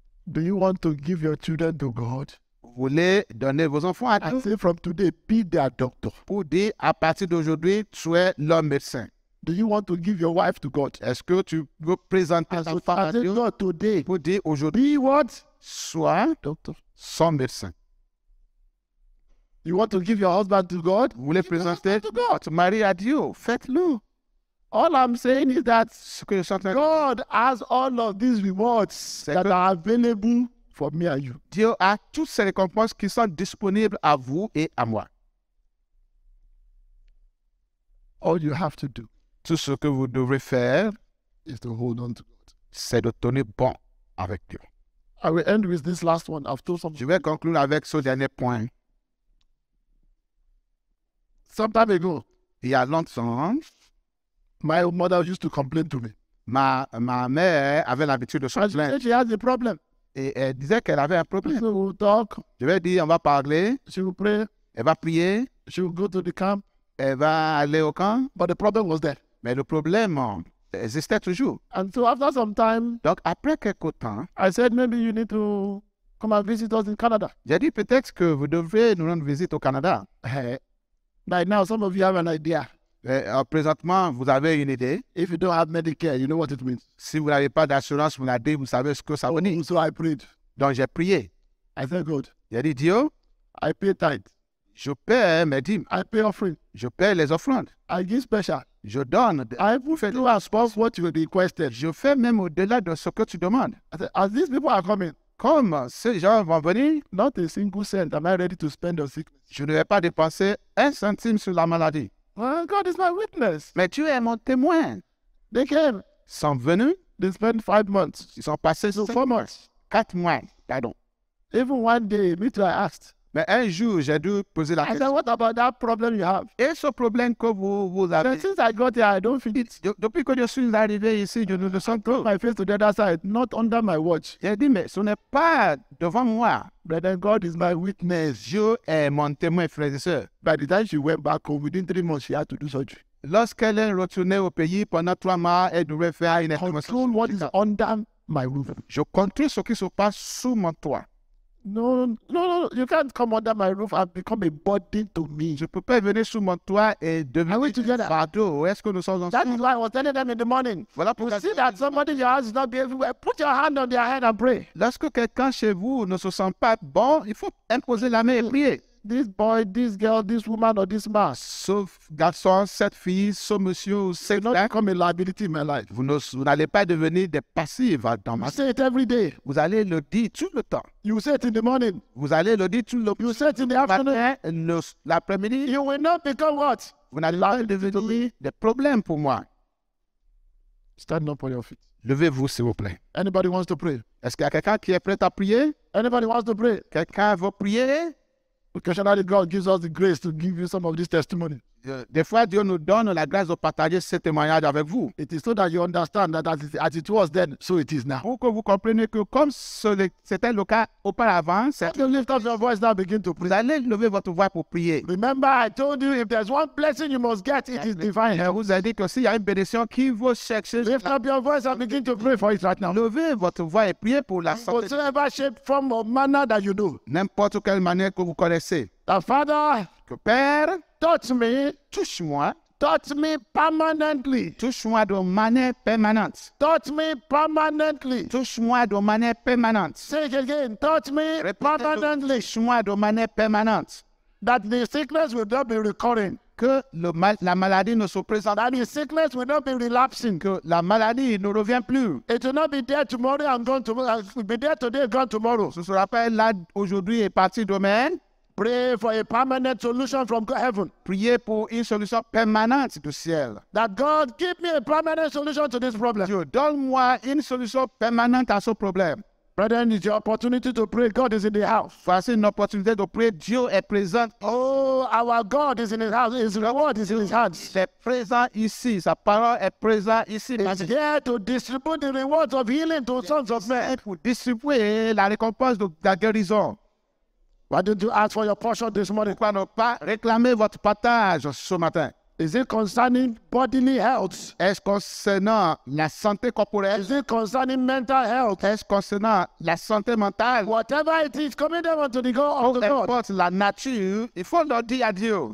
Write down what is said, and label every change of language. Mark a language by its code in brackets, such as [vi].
[en] Do you want to give your children to God? [fr] Vous voulez donner vos enfants à Dieu? [en] I say from today, be their doctor. [fr] Pour dire, à partir d'aujourd'hui, tu es leur médecin. [en] Do you want to give your wife to God? [fr] Est-ce que tu veux présenter ta femme à Dieu? [en] Not today. [fr] Pour dire aujourd'hui, [en] be what? [fr] Sois [en] doctor. [fr] Son médecin. [en] You want to give your husband to God? [fr] Vous voulez [en] give [fr] présenter [en] to God. [fr] Votre mari à Dieu? Faites-le. [en] All I'm saying is that [fr] ce que je suis en train [en] God has all of these rewards c'est that are available for me and you. [fr] Dieu a toutes ces récompenses qui sont disponibles à vous et à moi. [en] All you have to do, [fr] tout ce que vous devrez faire, [en] is to hold on to God. [fr] C'est de tenir bon avec Dieu. [en] I will end with this last one. I've told some. [fr] Je vais conclure avec ce dernier point. [en] Some time ago, [fr] il y a longtemps, [en] my mother used to complain to me. [fr] Ma mère avait l'habitude de se plaindre. [en] She has a problem. [fr] Et elle disait qu'elle avait un problème. [en] She will talk. [fr] Je vais dire, on va parler. [en] She will pray. [fr] Elle va prier. [en] She will go to the camp. [fr] Elle va aller au camp. [en] But the problem was there. [fr] Mais le problème existait toujours. [en] And so after some time, [fr] donc après quelques temps, [en] I said, maybe you need to come and visit us in Canada. [fr] J'ai dit peut-être que vous devriez nous rendre visite au Canada. [en] By now, some of you have an idea. [fr] Présentement, vous avez une idée. [en] If you don't have Medicare, you know what it means. [fr] Si vous n'avez pas d'assurance maladie, vous savez ce que ça veut dire. [en] So I prayed. [fr] Donc j'ai prié. [en] I thank God. [fr] J'ai dit Dieu. [en] I pay tithe. [fr] Je paie mes dîmes. [en] I pay offering. [fr] Je paie les offrandes. [en] I give special. [fr] Je donne. [en] I even do as far as what you requested. [fr] Je fais même au-delà de ce que tu demandes. [en] As these people are coming. [fr] Comme ces gens vont venir. [en] Not a single cent am I ready to spend on sickness. [fr] Je ne vais pas dépenser un centime sur la maladie. [en] Well, God is my witness. [fr] Mais tu es mon témoin. [en] They came. [fr] Ils sont venus. [en] They spent 5 months. [fr] Ils sont passés [en] 4 months. [fr] 4 mois, pardon. [en] Even one day, me too, I asked. [fr] Mais un jour, j'ai dû poser la question. [en] I said, what about that problem you have? [fr] Et ce problème que vous avez? [en] But since I got here, I don't feel it. [fr] Depuis que je suis arrivé ici, je ne sens plus. [en] My face to the other side, not under my watch. [fr] J'ai dit, mais ce n'est pas devant moi. [en] Brethren, God is my witness. [fr] Je est mon témoin, frères et sœurs. [en] By the time she went back home, within 3 months, she had to do surgery. [fr] Lorsqu'elle est retournée au pays pendant 3 mois, elle devrait faire une [en] hémostasie. Control what is under my roof. [fr] Je contrôle ce qui se passe sous mon toit. [en] No, you can't come under my roof and become a burden to me. [fr] Je peux pas venir sous mon toit et devenir un fardeau. Est-ce que nous sommes ensemble? [en] That is why I was telling them in the morning. [fr] Voilà [en] pour you see that somebody in your house is not being everywhere. Put your hand on their head and pray. [fr] Lorsque quelqu'un chez vous ne se sent pas bon, il faut imposer la main et prier. [en] This boy, this girl, this woman, or this man. [fr] Ce garçon, cette fille, ce monsieur, c'est [en] not become a liability in my life. [fr] Vous n'allez pas devenir des passifs dans ma vie. [en] Say it every day. [fr] Vous allez le dire tout le temps. [en] You say it in the morning. [fr] Vous allez le dire tout le temps. [en] You say it in the afternoon. [fr] L'après-midi. [en] You will not become what? [fr] Vous n'allez pas devenir des problèmes pour moi. [en] Stand up on your feet. [fr] Levez-vous, s'il vous plaît. [en] Anybody wants to pray? [fr] Est-ce qu'il y a quelqu'un qui est prêt à prier? [en] Anybody wants to pray? [fr] Quelqu'un veut prier? [en] Because now God gives us the grace to give you some of this testimony. [fr] Des fois, Dieu nous donne la grâce de partager ce témoignage avec vous. [en] It is so that you understand that as it was then, so it is now. [fr] Pour que vous compreniez que comme c'était le cas auparavant, c'est... [en] You lift up your voice now, begin to pray. [fr] Vous allez lever votre voix pour prier. [en] Remember, I told you, if there's one blessing you must get, it is divine. [fr] Je vous ai dit que s'il y a une bénédiction qui vous cherche... [en] Lift up your voice and begin to pray for it right now. [fr] Levez votre voix et priez pour la santé. [en] Whatever shape, form, or manner that you do. [fr] N'importe quelle manière que vous connaissez. [en] The Father... [fr] Que Père... Touche-moi. Touche-moi [en] permanently. [fr] Touche-moi de manière permanente. Touche-moi [en] permanently. [fr] Touche-moi de manière permanente. [en] Say it again. [fr] Touche-moi [en] permanently. [fr] Touche-moi de manière permanente. [en] That the sickness will not be recurring. [fr] Que la maladie ne se présente. [en] That the sickness will not be relapsing. [fr] Que la maladie ne revient plus. [en] It will not be there tomorrow and gone tomorrow. It will be there today and gone tomorrow. [fr] Ce sera pas là aujourd'hui et parti demain. [en] Pray for a permanent solution from heaven. [fr] Priez pour une solution permanente du ciel. [en] That God give me a permanent solution to this problem. [fr] Dieu, donne-moi une solution permanente à ce problème. [en] Brethren, it's your opportunity to pray. God is in the house. [fr] Voici une opportunité de prier. Dieu est présent. [en] Oh, our God is in his house. His reward is in his hands. [fr] Il est présent ici. Sa parole est présente ici. [en] He's here to distribute the rewards of healing to sons of men. [fr] Pour distribuer la récompense de la guérison. [en] Why don't you ask for your portion this morning? [fr] Pourquoi ne pas réclamer votre partage ce matin? [en] Is it concerning bodily health? [fr] Est-ce concernant la santé corporelle? [en] Is it concerning mental health? [fr] Est-ce concernant la santé mentale? [en] Whatever it is, commit them unto the God of the Lord. [fr] Importe la nature, il faut leur dire adieu.